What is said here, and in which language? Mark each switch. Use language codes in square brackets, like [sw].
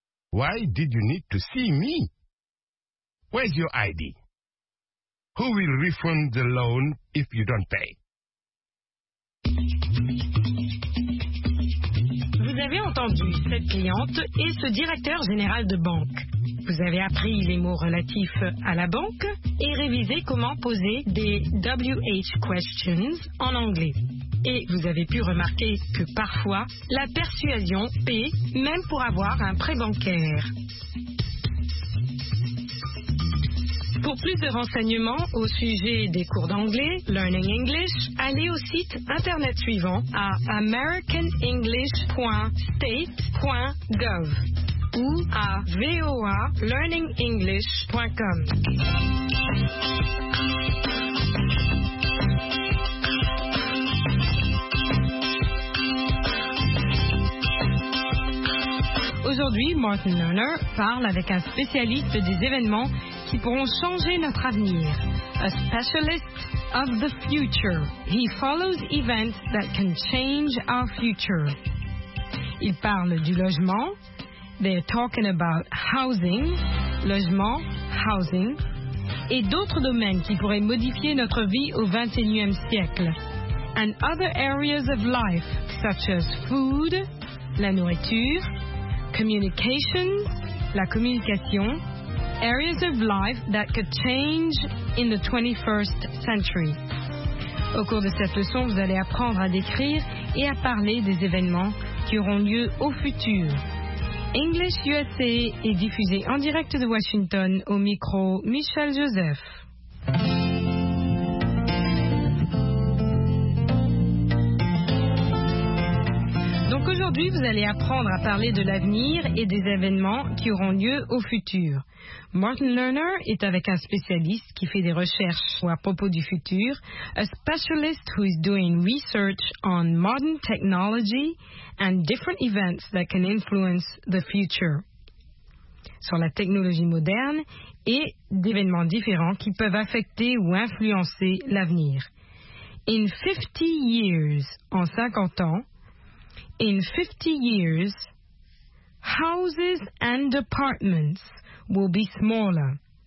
[en] Why did you need to see me? Where's your ID? Who will refund the loan if you don't pay? [fr] Vous avez entendu cette cliente et ce directeur général de banque. Vous avez appris les mots relatifs à la banque et révisé comment poser des WH questions en anglais. Et vous avez pu remarquer que parfois, la persuasion paie même pour avoir un prêt bancaire. Pour plus de renseignements au sujet des cours d'anglais, Learning English, allez au site internet suivant à americanenglish.state.gov ou à voalearningenglish.com. Aujourd'hui, Martin Lerner parle avec un spécialiste des événements qui pourront changer notre avenir. [en] A specialist of the future. He follows events that can change our future. [fr] Il parle du logement. [en] They're talking about housing. [fr] Logement, housing. Et d'autres domaines qui pourraient modifier notre vie au 21e siècle. [en] And other areas of life, such as food, [fr] la nourriture, [en] communication, [fr] la communication, [en] areas of life that could change in the 21st century. [fr] Au cours de cette leçon, vous allez apprendre à décrire et à parler des événements qui auront lieu au futur. English USA est diffusé en direct de Washington au micro Michel Joseph. Aujourd'hui, vous allez apprendre à parler de l'avenir et des événements qui auront lieu au futur. Martin Lerner est avec un spécialiste qui fait des recherches à propos du futur, [en] a specialist who is doing research on modern technology and different events that can influence the future. [fr] Sur la technologie moderne et d'événements différents qui peuvent affecter ou influencer l'avenir. [en] In 50 years, [fr] en 50 ans, [en] In 50 years, houses and apartments will be smaller.